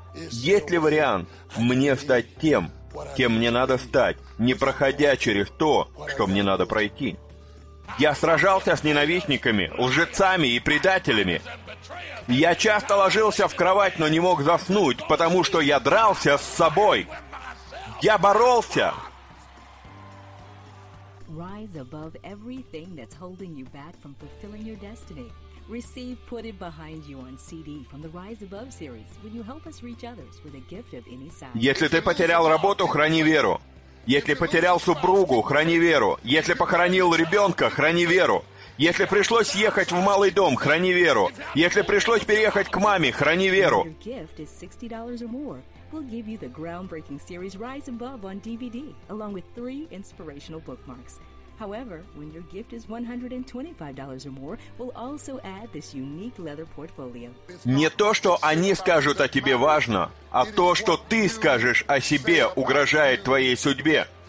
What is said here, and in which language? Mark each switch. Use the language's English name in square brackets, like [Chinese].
[Russian] Есть ли вариант мне стать тем, кем мне надо стать, не проходя через то, что мне надо пройти? Я сражался с ненавистниками, лжецами и предателями. Я часто ложился в кровать, но не мог заснуть, потому что я дрался с собой. Я боролся. [English] Rise above everything that's holding you back from fulfilling your destiny. Receive Put It Behind You on CD from the Rise Above series. When you help us reach others with a gift of any size. [Russian] Если ты потерял работу, храни веру. Если потерял супругу, храни веру. Если похоронил ребенка, храни веру. Если пришлось ехать в малый дом, храни веру. Если пришлось переехать к маме, храни веру. [English] Your gift is $60 or more. We'll give you the groundbreaking series Rise Above on DVD, along with 3 inspirational bookmarks. However, when your gift is $125 or more, we'll also add this unique leather portfolio. [Russian] Не то, что они скажут о тебе важно, а то, что ты скажешь о себе, угрожает твоей судьбе.